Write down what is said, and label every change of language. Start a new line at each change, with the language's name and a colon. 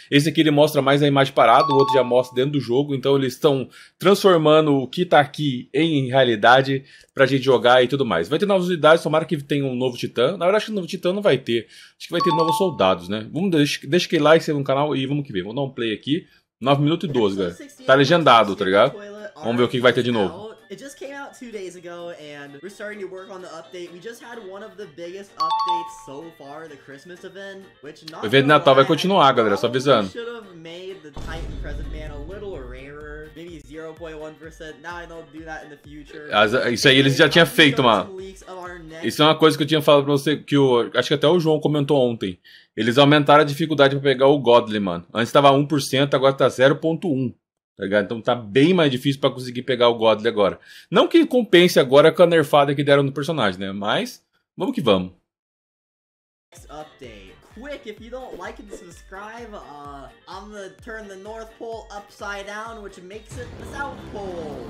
Portuguese: Esse aqui ele mostra mais a imagem parada, o outro já mostra dentro do jogo, então eles estão transformando o que tá aqui em realidade pra gente jogar e tudo mais. Vai ter novas unidades, tomara que tenha um novo Titã. Na verdade, acho que o novo Titã não vai ter. Acho que vai ter novos soldados, né? Vamos deixa aquele like no canal e vamos que ver. Vamos dar um play aqui. 9 minutos e 12, galera. Tá legendado, tá ligado? Vamos ver o que vai ter de novo.
English: It just came out 2 days ago, and we're starting to work on the update. We just had one of the biggest updates so far, the Christmas event, which not
Portuguese: o evento de Natal vai continuar, galera, só avisando.
English: Should have made the Titan Present Man a little rarer, maybe 0.1%. Now I know to do that in the future.
Portuguese: Isso aí eles já tinham feito, mano. Isso é uma coisa que eu tinha falado pra você, que acho que até o João comentou ontem. Eles aumentaram a dificuldade pra pegar o Godly, mano. Antes tava 1%, agora tá 0.1%. Tá ligado? Então tá bem mais difícil pra conseguir pegar o Godly agora. Não que compense agora com a nerfada que deram no personagem, né? Mas, vamos que vamos.
English: Next update. Quick, if you don't like and subscribe, I'm gonna turn the North Pole upside down, which makes it the South Pole.